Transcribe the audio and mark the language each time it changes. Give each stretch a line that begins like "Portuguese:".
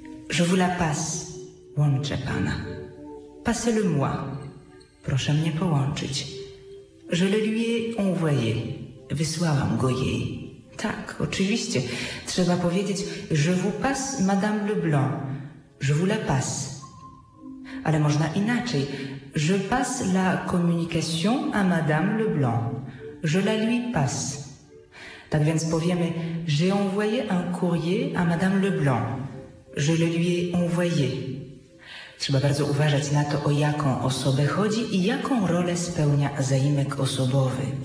French: Je vous la passe,
Polish: łączę pana.
French: Passez-le-moi,
Polish: proszę mnie połączyć.
French: Je le lui ai envoyé,
Polish: wysłałam go jej. Tak, oczywiście, trzeba powiedzieć
French: je vous passe madame Leblanc, je vous la passe.
Polish: Ale można inaczej,
French: je passe la communication à madame Leblanc, je la lui passe.
Polish: Tak więc powiemy
French: j'ai envoyé un courrier à madame Leblanc. Je le lui ai envoyé.
Polish: Trzeba bardzo uważać na to, o jaką osobę chodzi i jaką rolę spełnia zaimek osobowy.